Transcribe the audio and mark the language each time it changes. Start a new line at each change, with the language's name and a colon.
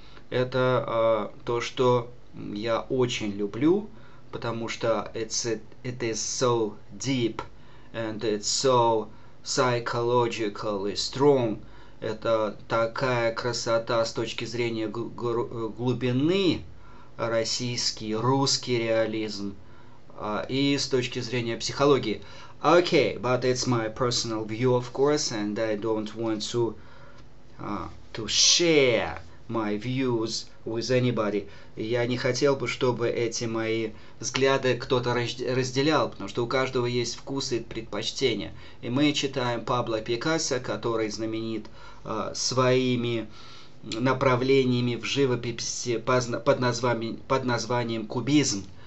Russian: Это то, что я очень люблю, потому что
English: it is so deep and it's so psychologically strong.
Russian: Это такая красота с точки зрения глубины, российский, русский реализм и с точки зрения психологии.
English: Okay, but it's my personal view, of course, and I don't want to share my views with anybody.
Russian: Я не хотел бы, чтобы эти мои взгляды кто-то разделял, потому что у каждого есть вкусы и предпочтения. И мы читаем Пабло Пикассо, который знаменит своими направлениями в живописи под названием кубизм.